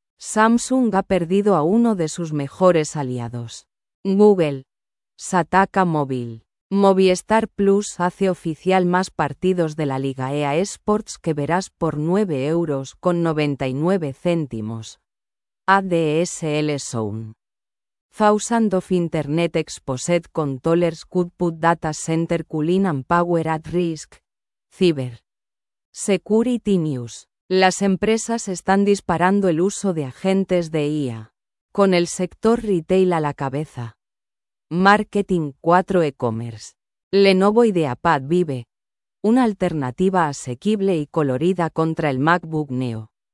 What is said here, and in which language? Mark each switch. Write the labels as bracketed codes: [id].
[es] Samsung ha perdido a uno de sus mejores aliados. Google. Sataka Móvil. Movistar Plus hace oficial más partidos de la Liga EA Sports que verás por 9,99 euros. ADSL Zone. [en] Thousand of Internet Exposed Controllers could put data center cooling and power at risk. Cyber. Security News. [es] Las empresas están disparando el uso de agentes de IA. Con el sector retail a la cabeza. Marketing 4 e-commerce. Lenovo IdeaPad Vive. Una alternativa asequible y colorida contra el MacBook Neo.